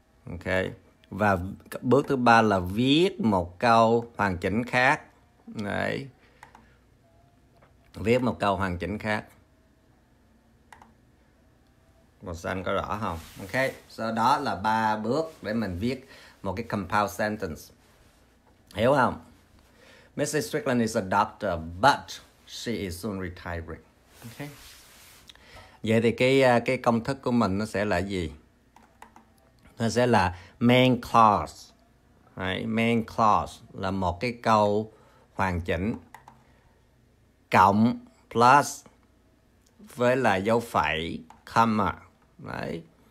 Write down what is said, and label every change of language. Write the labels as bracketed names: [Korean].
[Vietnamese] Ok, và bước thứ ba là viết một câu hoàn chỉnh khác. Đấy. Viết một câu hoàn chỉnh khác. Màu xanh có rõ không? Ok, so đó là ba bước để mình viết một cái compound sentence. Hiểu không? Mrs. [English] Strickland is a doctor, but she is soon retiring. Ok. [Vietnamese] Vậy thì cái công thức của mình nó sẽ là gì? Nó sẽ là main clause. Right? Main clause là một cái câu hoàn chỉnh cộng plus với là dấu phẩy comma. Đấy.